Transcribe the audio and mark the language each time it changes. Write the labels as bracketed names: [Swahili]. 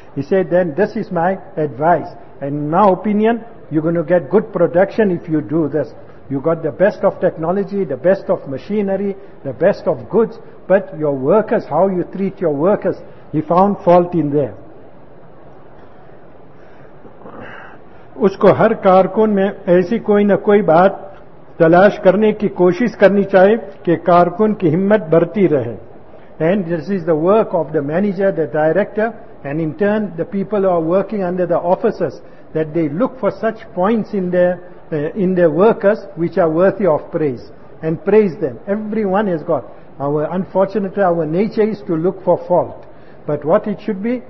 [English] He said, then this is my advice. And in my opinion, you're going to get good production if you do this. You got the best of technology, the best of machinery, the best of goods. But your workers, how you treat your workers, he found fault in there. [Hindi] Usko har karkun mein aisi koi na koi baat तलाश करने की कोशिश करनी चाहिए कि कारकुन की हिम्मत बढ़ती रहे. [English] And this is the work of the manager, the director, and in turn the people who are working under the officers, that they look for such points in their workers which are worthy of praise and praise them. Everyone has got Unfortunately, our nature is to look for fault. But what it should be?